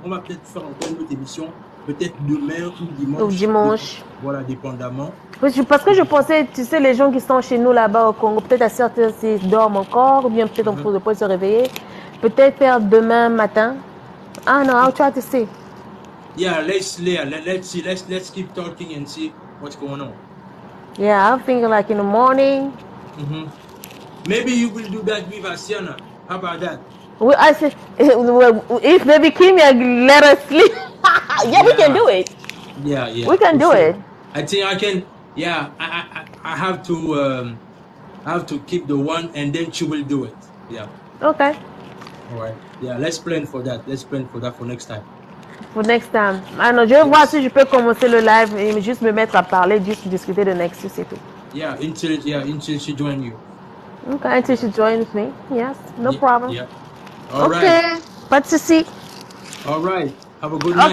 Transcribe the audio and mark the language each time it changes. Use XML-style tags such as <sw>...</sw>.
<fr>On va peut-être faire encore une autre émission, peut-être demain ou dimanche. Voilà, dépendamment. Parce que je pensais, tu sais, les gens qui sont chez nous là-bas au Congo, peut-être à certains, ils dorment encore, ou bien peut-être on ne peut pas se réveiller. Peut-être faire demain matin. Ah non,</fr> <en>I'll try to see. Yeah, let's keep talking and see. What's going on? Yeah, I'm thinking like in the morning. Maybe you will do that with Asiana. How about that? If maybe Kimia let us sleep. Yeah, we can do it. Yeah. We can do it. I think I can. Yeah, I have to keep the one, and then she will do it. Yeah. Okay. All right. Yeah, let's plan for that. Let's plan for that for next time.</en> <fr>Pour</fr> <en>next time.</en> <fr>Ah non, je vais voir si je peux commencer le live et juste me mettre à parler, juste discuter de Nexus, c'est tout.</fr> <en>Until she join you. Okay, until she joins me. Yes, no problem. Yeah. All okay. Right.</en> <fr>Pas de souci.</fr> <en>All right. Have a good night.</en>